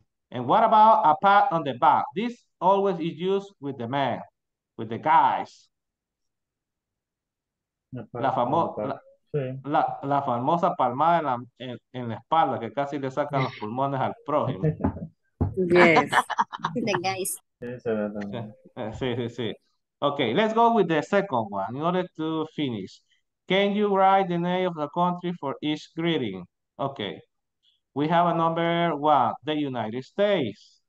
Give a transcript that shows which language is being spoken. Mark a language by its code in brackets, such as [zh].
[en] And what about a pat on the back? This always is used with the men, with the guys. [es] La famosa palmada en la espalda que casi le sacan los pulmones al prójimo. [en] Yes. [es] Sí. [en] Okay, let's go with the second one in order to finish. Can you write the name of the country for each greeting? Okay. We have a number one, the United States.